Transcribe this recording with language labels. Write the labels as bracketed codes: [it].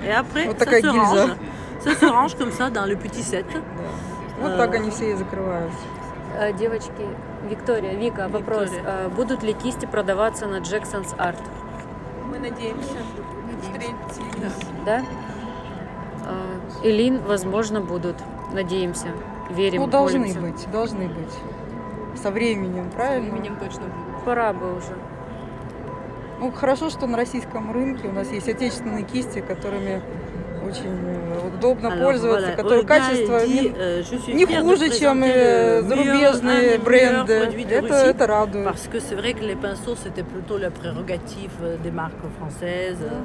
[fr] Et après, [ru] вот такая гильза. [fr] Range. Ça se range comme ça dans le petit set. [ru] Вот так они все и закрываются. Девочки, Виктория, Вика, вопрос. Будут ли кисти продаваться на Jackson's Art? Мы надеемся. Встретимся. Да? Элин, возможно, будут. Надеемся. Верим, ну, должны полиция. Быть, должны быть. Со временем, правильно? Со временем точно будет. Пора бы уже. Ну, хорошо, что на российском рынке у нас есть отечественные кисти, которыми очень удобно [fr] Alors, [ru] пользоваться, [fr] voilà. [ru] Которые качество не хуже, чем зарубежные бренды. Это радует. [fr] Parce que c'est vrai que les pinceaux, c'était plutôt la prérogative des marques françaises.